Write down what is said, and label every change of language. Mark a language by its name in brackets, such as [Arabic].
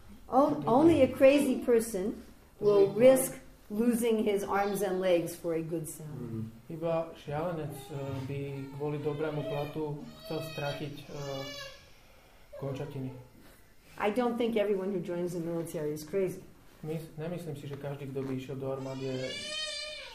[English] Only a crazy person will risk losing his arms and legs for a good salary. Mm-hmm. [Slovak] Iba šialenec by kvôli dobrému platu chcel stratiť končatiny. [English] I don't think everyone who joins the military is crazy. [Slovak] Nemyslím si, že každý, kto by išiel do armády, je šialený.